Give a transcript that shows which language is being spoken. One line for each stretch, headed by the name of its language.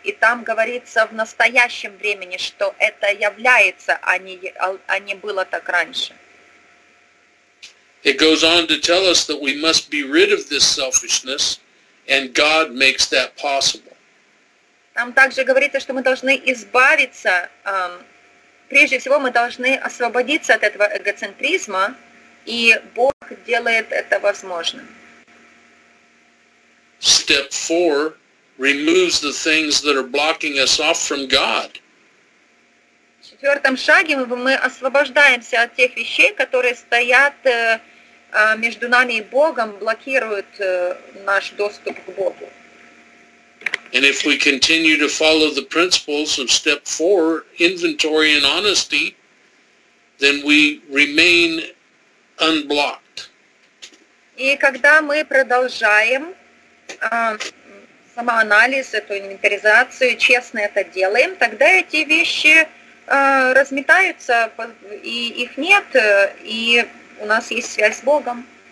Russian: И там говорится в настоящем времени, что это является, а не было так раньше.
English: It goes on to tell us that we must be rid of this selfishness, and God makes that possible.
Russian: Там также говорится, что мы должны избавиться, прежде всего мы должны освободиться от этого эгоцентризма, и Бог делает это возможным.
English: Step 4 removes the things that are blocking us off from God.
Russian: В четвертом шаге мы освобождаемся от тех вещей, которые стоят между нами и Богом, блокируют наш доступ к Богу.
English: And if we continue to follow the principles of step four, inventory and honesty, then we remain unblocked.
Russian: И когда мы продолжаем самоанализ, эту инвентаризацию, честно это делаем, тогда эти вещи разметаются, и их нет, и у нас есть связь с Богом.